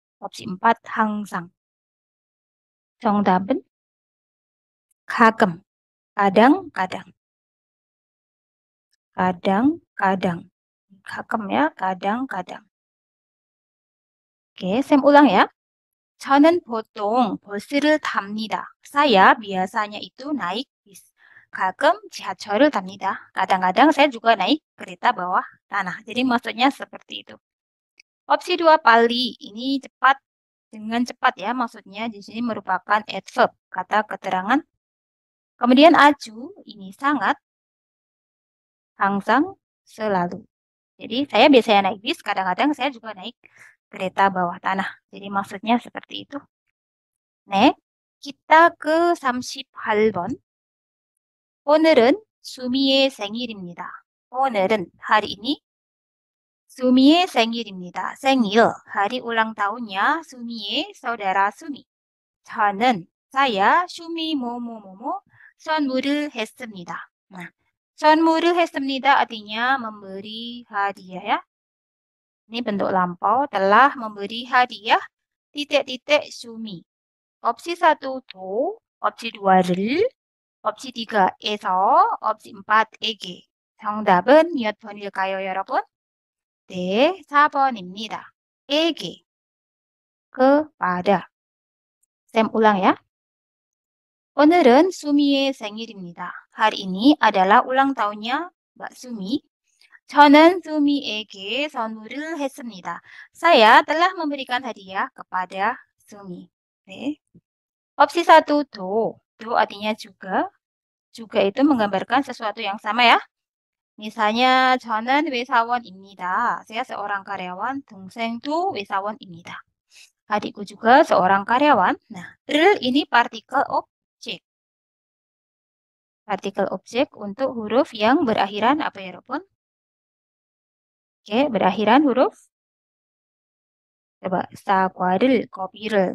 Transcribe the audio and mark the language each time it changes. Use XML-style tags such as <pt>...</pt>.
<id>Opsi 4, Hangsang. Congdaben. Kagem. Kadang-kadang. Kadang-kadang. Kagem ya, kadang-kadang. Oke, saya ulang ya.</id> <ko>저는 보통 버스를 탑니다.</ko> <id>Saya biasanya itu naik bis.</id> <ko>가끔 지하철을 탑니다.</ko> <id>Kadang-kadang saya juga naik kereta bawah tanah. Jadi maksudnya seperti itu. Opsi 2, Bali. Ini cepat. Dengan cepat ya, maksudnya di sini merupakan adverb, kata keterangan. Kemudian aju, ini sangat. Hangsang, selalu. Jadi saya biasanya naik bis, kadang-kadang saya juga naik kereta bawah tanah. Jadi maksudnya seperti itu. Nah, kita ke 38번.</id> <ko>오늘은 수미의 생일입니다. 오늘은</ko> <id>hari ini.</id> <ko>수미의 생일입니다.</ko> <id>생일, hari ulang tahunnya 수미의 saudara 수미.</id> <ko>저는, saya, 수미 뭐뭐뭐뭐 선물을 했습니다.</ko> <id>Nah,</id> <ko>선물을 했습니다</ko> <id>artinya memberi hadiah ya. Ini bentuk lampau, telah memberi hadiah titik-titik sumi. Opsi 1, do. Opsi 2, ril. Opsi 3, eso. Opsi 4, ege.</id> <ko>정답은 몇 번일까요, 여러분? 네, 4번입니다.</ko> <id>Ege. Kepada. Saya ulang ya.</id> <ko>오늘은 수미의 생일입니다.</ko> <id>Hari ini adalah ulang tahunnya Mbak Sumi.</id> <ko>저는 수미에게 선물을 했습니다.</ko> <id>Saya telah memberikan hadiah kepada Sumi. Okay. Opsi 1, do. Do artinya juga. Juga itu menggambarkan sesuatu yang sama ya. Misalnya,</id> <ko>저는 회사원입니다.</ko> <id>Saya seorang karyawan.</id> <ko>동생도 회사원입니다.</ko> <id>Adikku juga seorang karyawan. Nah, real ini partikel objek. Partikel objek untuk huruf yang berakhiran apa ya, Robon? Oke, berakhiran huruf. Coba, saquaril, kopiril.</id>